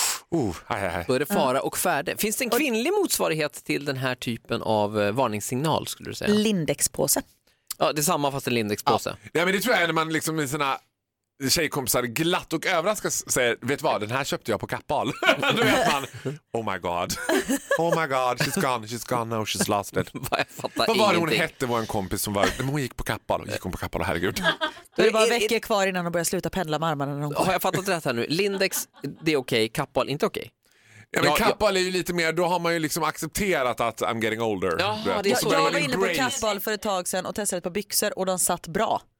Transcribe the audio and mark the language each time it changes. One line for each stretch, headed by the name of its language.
Swedish: då är det fara och färde. Finns det en kvinnlig motsvarighet till den här typen av varningssignal, skulle du säga? Lindexpåse. Ja, det är samma fast en lindexpåse. Ja, men det tror jag är när man liksom i sina tjejkompisar glatt och överraskad säger, vet vad, den här köpte jag på Kappahl. Då vet man,
English: oh my god. Oh my god, she's gone now, she's lost it.
Swedish: Vad var det hon hette, vår kompis som var, men hon gick på Kappahl, herregud. Då är det bara veckor kvar innan hon börjar sluta pendla med armarna. Har jag fattat rätt här nu? Lindex, det är okej, Kappahl, inte okej. Ja, men Kappahl är ju lite mer, då har man ju liksom accepterat att
English: I'm getting older.
Swedish: Jag var inne på Kappahl för ett tag sedan och testade på byxor och de satt bra.